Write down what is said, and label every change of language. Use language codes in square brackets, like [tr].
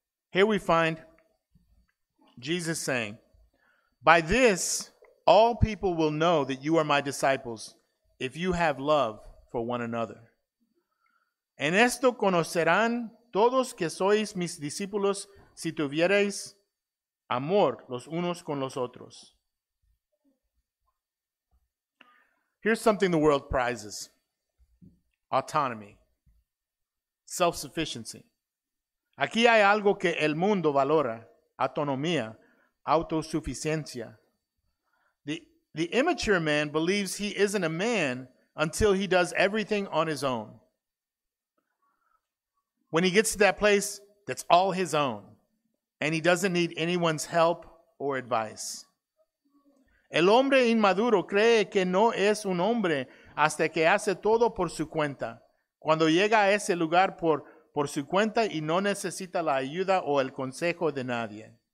[en] Here we find Jesus saying, "By this, all people will know that you are my disciples, if you have love for one another." [es] En esto conocerán todos que sois mis discípulos si tuviereis amor los unos con los otros. [en] Here's something the world prizes: autonomy, self-sufficiency. [es] Aquí hay algo que el mundo valora: autonomía, autosuficiencia. [en] The immature man believes he isn't a man until he does everything on his own. When he gets to that place that's all his own, and he doesn't need anyone's help or advice. [es] El hombre inmaduro cree que no es un hombre hasta que hace todo por su cuenta. Cuando llega a ese lugar por su cuenta y no necesita la ayuda o el consejo de nadie.